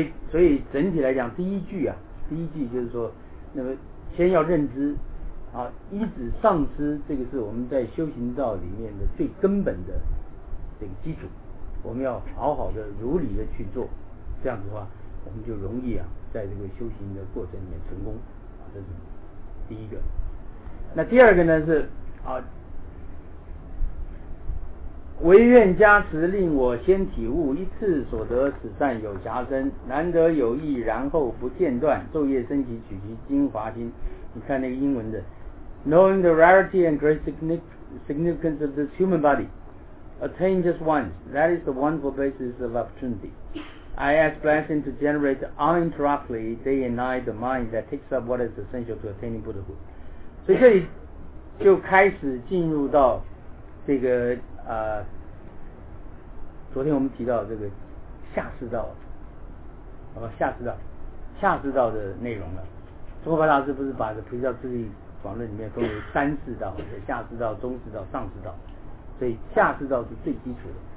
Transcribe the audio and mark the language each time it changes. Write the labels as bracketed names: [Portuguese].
[Chinese] 所以整体来讲，第一句就是说，那么先要认知啊，依止上师这个是我们在修行道里面的最根本的这个基础，我们要好好的如理的去做，这样子的话我们就容易啊在这个修行的过程里面成功啊，这是第一个。那第二个呢是啊，唯愿加持令我先体悟，一次所得此善有暇生，难得有益，然后不间断，昼夜升起取其精华心。你看那个英文的 [English] Knowing the rarity and great significance of this human body, attain just once, that is the wonderful basis of opportunity. I ask blessing to generate uninterruptedly day and night the mind that takes up what is essential to attaining Buddhahood. [Chinese] 所以这里就开始进入到这个昨天我们提到这个下士道，下士道的内容了。中国大师不是把这菩提道自力广论里面分为三士道，下士道、中士道、上士道，所以下士道是最基础的。